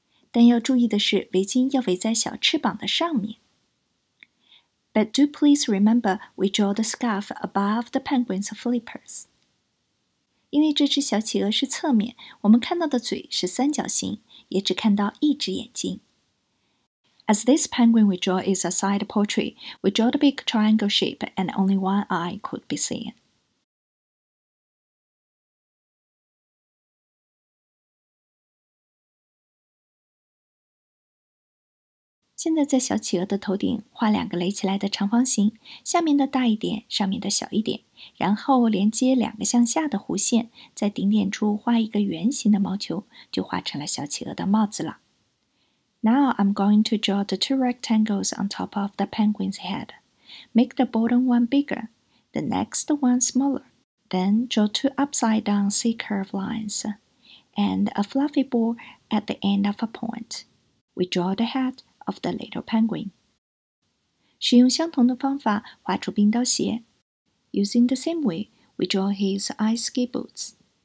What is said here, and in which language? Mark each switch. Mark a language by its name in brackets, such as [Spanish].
[Chinese] 但要注意的是，围巾要围在小翅膀的上面。 [English] But do please remember we draw the scarf above the penguin's flippers。 [Chinese] 因为这只小企鹅是侧面，我们看到的嘴是三角形，也只看到一只眼睛。 [English] As this penguin we draw is a side portrait, we draw the big triangle shape and only one eye could be seen. [Chinese] 现在在小企鹅的头顶画两个垒起来的长方形，下面的大一点，上面的小一点，然后连接两个向下的弧线，在顶点处画一个圆形的毛球，就画成了小企鹅的帽子了。 [English] Now I'm going to draw the two rectangles on top of the penguin's head. Make the bottom one bigger, the next one smaller. Then draw two upside-down C-curve lines and a fluffy ball at the end of a point. We draw the head of the little penguin. [Chinese] 使用相同的方法画出冰刀鞋。 [English] Using the same way, we draw his ice ski boots.